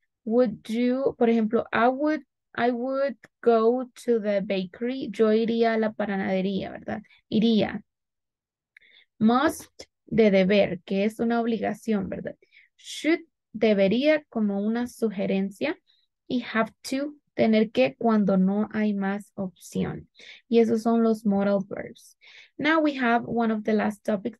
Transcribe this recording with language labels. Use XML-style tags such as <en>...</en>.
<en>Would you,</en> <es>por ejemplo,</es> <en>I would go to the bakery.</en> <es>Yo iría a la panadería, ¿verdad? Iría. Must, de deber, que es una obligación, ¿verdad? Should, debería, como una sugerencia. Y have to, tener que, cuando no hay más opción. Y esos son los modal verbs.</es> <en>Now we have one of the last topics.</en>